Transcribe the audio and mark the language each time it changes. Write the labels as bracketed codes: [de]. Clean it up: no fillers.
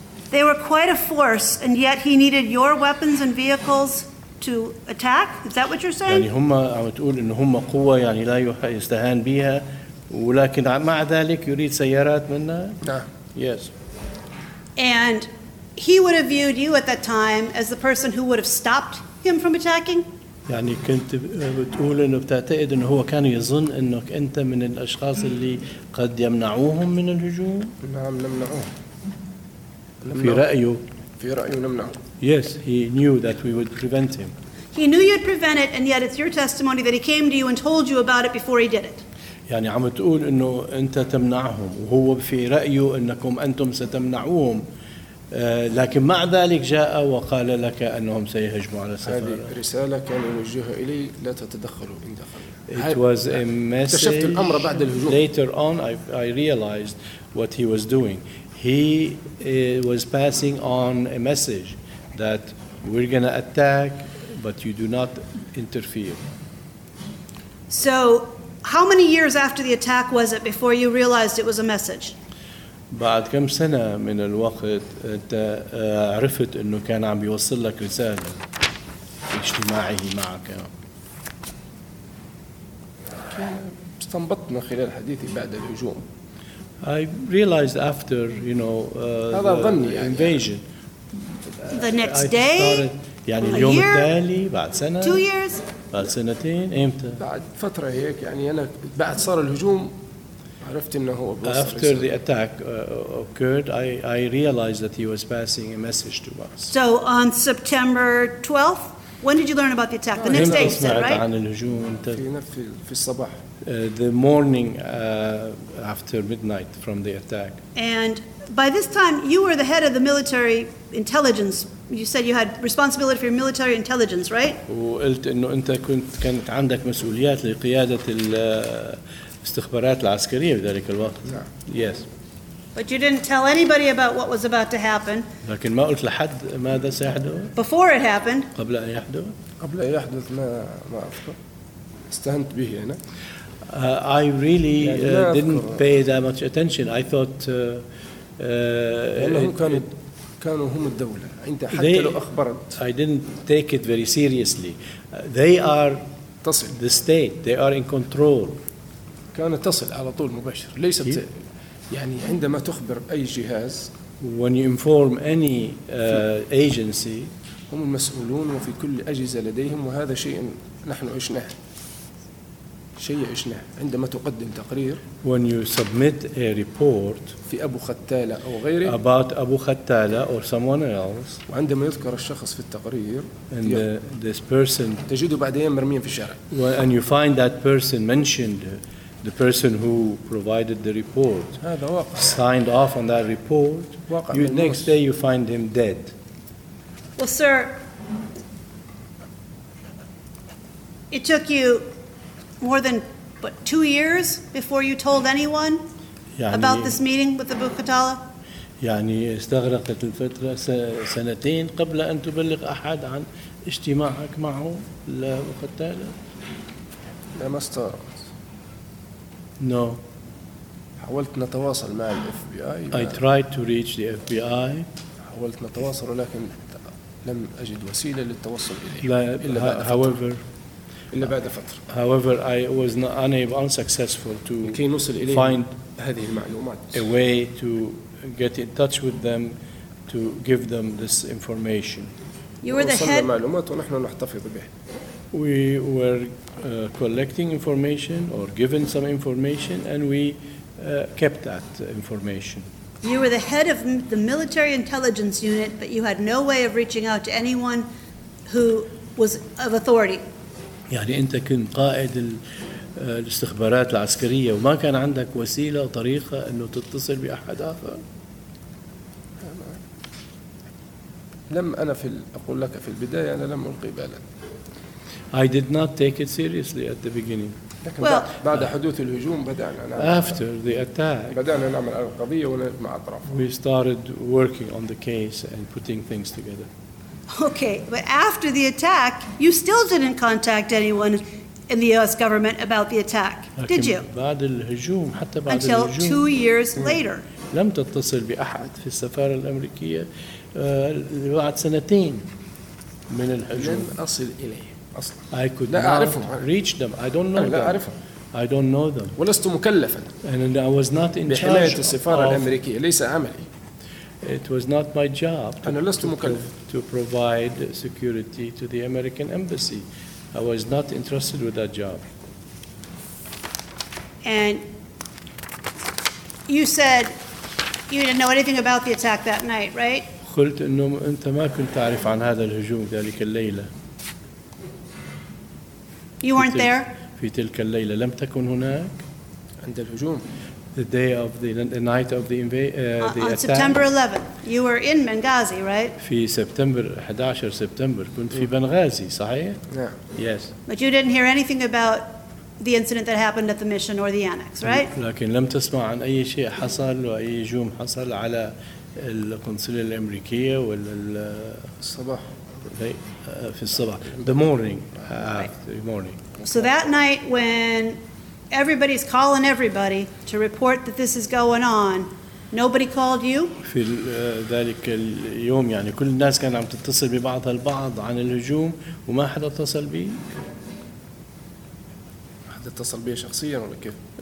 [en] They were quite a force, and yet he needed your weapons and vehicles to attack? Is that what you're saying? [ar] يعني هم عم تقول إنه هم قوة يعني لا يستهان بها ولكن مع ذلك يريد سيارات منا. [en] Yes. And he would have viewed you at that time as the person who would have stopped him from attacking. [ar] يعني كنت بتقول إنه بتعتقد إنه هو كان يظن إنك أنت من الأشخاص اللي قد يمنعوهم من الهجوم. نعم نمنعوه. في رأيه. في رأيه نمنعه. [en] Yes, he knew that we would prevent him. He knew you'd prevent it, and yet it's your testimony that he came to you and told you about it before he did it. [ar] يعني عم تقول إنه أنت تمنعهم وهو في رأيه إنكم أنتم ستمنعوهم. لكن مع ذلك جاء وقال لك أنهم سيهجموا على السفارة. هذه رسالة كان يوجهها إلي لا تتدخلوا إن دخلوا. [en] It was a message. [ar] اكتشفت الأمر بعد الهجوم. [en] Later on, I realized what he was doing. He was passing on a message that we're going to attack, but you do not interfere. So, how many years after the attack was it before you realized it was a message? [ar] بعد كم سنة من الوقت أنت عرفت إنه كان عم يوصل لك رسالة في اجتماعه معك. استنبطنا خلال حديثي بعد الهجوم. [en] I realized after you know the invasion. The next day. [ar] يعني اليوم التالي بعد سنة. [en] 2 years. [ar] بعد سنتين إمتى؟ بعد فترة هيك يعني أنا بعد صار الهجوم. [en] After the attack occurred, I realized that he was passing a message to us. So on September 12th, when did you learn about the attack? The next day, you said, right? The morning after midnight from the attack. And by this time, you were the head of the military intelligence. You said you had responsibility for your military intelligence, right? [ar] وقلت إنه أنت كانت عندك مسؤوليات لقيادة ال. استخبارات العسكرية في ذلك الوقت. نعم. [en] Yes. But you didn't tell anybody about what was about to happen. [ar] لكن ما قلت لحد ماذا سيحدث. [en] Before it happened. [ar] قبل أن يحدث. قبل أن يحدث ما أذكر. استهنت به أنا. [en] I really didn't pay that much attention. I thought. [ar] لأنهم كانوا هم الدولة. أنت حتى لو أخبرت. [en] I didn't take it very seriously. They are the state. They are in control. [ar] كانت تصل على طول مباشر ليست يعني عندما تخبر أي جهاز [en] when you inform any agency [ar] هم المسؤولون وفي كل أجهزة لديهم وهذا شيء نحن عشناه عندما تقدم تقرير [en] when you submit a report [ar] في أبو ختالة أو غيره [en] about أبو ختالة or someone else [ar] وعندما يذكر الشخص في التقرير [en] and this person [ar] تجده بعدين مرميا في الشارع [en] and you find that person mentioned The person who provided the report signed off on that report. You, next day, you find him dead. Well, sir, it took you more than what 2 years before you told anyone [ar] يعني, [en] about this meeting with Abu Ketala. [ar] يعني استغرقت الفترة سنتين قبل أن تبلغ أحد عن اجتماعك معه لأبو ختالة. لا مستر. [en] No. [ar] حاولت نتواصل مع ال FBI. [en] I tried to reach the FBI. [ar] حاولت نتواصل ولكن لم أجد وسيلة للتواصل إليه. [en] However. [ar] إلا بعد فترة. [en] However, I was not unable, unsuccessful to find [ar] هذه المعلومات. [en] A way to get in touch with them to give them this information. You were the head. [ar] وصلنا معلومات ونحن نحتفظ بها. [en] We were collecting information or given some information, and we kept that information. You were the head of the military intelligence unit, but you had no way of reaching out to anyone who was of authority. [ar] يعني أنت كنت قائد الاستخبارات العسكرية وما كان عندك وسيلة أو طريقة إنه تتصل بأحد آخر. لم أنا في أقول لك في البداية أنا لم ألقي بالا. [en] I did not take it seriously at the beginning. [ar] بعد حدوث الهجوم بدأنا. [en] After the attack. [ar] بدأنا نعمل على القضية ونلعب مع الطرف. [en] We started working on the case and putting things together. Okay, but after the attack, you still didn't contact anyone in the U.S. government about the attack, did you? [ar] بعد الهجوم حتى بعد [en] Until [ar] الهجوم. [en] Until 2 years later. [ar] لم تتصل بأحد في السفارة الأمريكية بعد سنتين من الهجوم. لم أصل إليه. [en] I could not reach them. I don't know them. I don't know them. [ar] ولست مكلفا. [en] And I was not in charge of. [ar] بحماية السفارة الأمريكية ليس عملي. [en] It was not my job to provide security to the American embassy. I was not entrusted with that job. And you said you didn't know anything about the attack that night, right? [ar] قلت إنه أنت ما كنت تعرف عن هذا الهجوم ذلك الليلة. [en] You weren't there. [ar] في تلك الليلة لم تكن هناك عند الهجوم. [en] The day of the night of the invasion, the attack. On September 11th, you were in Benghazi, right? [ar] في September 11 September كنت في بنغازي صحيح؟ نعم. [en] Yes. But you didn't hear anything about the incident that happened at the mission or the annex, right? [ar] لكن لم تسمع عن أي شيء حصل وأي هجوم حصل على القنصلية الأمريكية ولا الصباح. في الصباح. [en] The morning. The morning. So that night when everybody's calling everybody to report that this is going on, nobody called you? [ar] في ذلك اليوم يعني كل الناس كانوا عم تتصل ببعضها البعض عن الهجوم وما حدا اتصل بي. حدا اتصل بي شخصيا ولا كيف؟